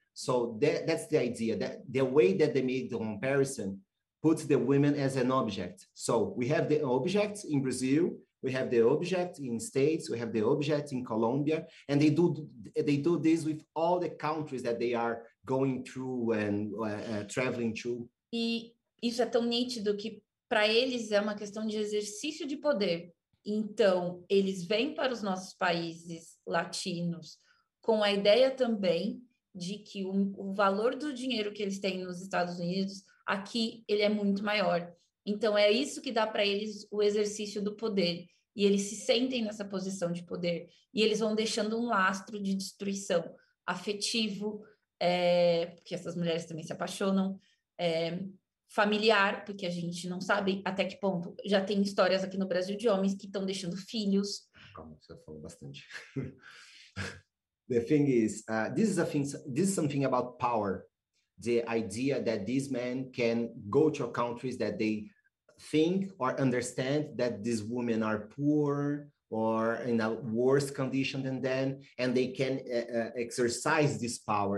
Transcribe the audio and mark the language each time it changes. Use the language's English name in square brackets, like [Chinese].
[English] So that's the idea, that the way that they made the comparison puts the women as an object. So we have the object in Brazil, we have the object in States, we have the object in Colombia, and they do this with all the countries that they are going through and traveling to. [Portuguese] E isso é tão nítido que para eles é uma questão de exercício de poder. Então eles vêm para os nossos países latinos com a ideia também de que o valor do dinheiro que eles têm nos Estados Unidos, aqui ele é muito maior. Então é isso que dá para eles o exercício do poder. E eles se sentem nessa posição de poder. E eles vão deixando um lastro de destruição afetivo, porque essas mulheres também se apaixonam, familiar, porque a gente não sabe até que ponto. Já tem histórias aqui no Brasil de homens que estão deixando filhos. Calma, você falou bastante. [English] The thing is, this is something about power. The idea that this man can go to a country that they think or understand that these women are poor or in a worse condition than them, and they can exercise this power.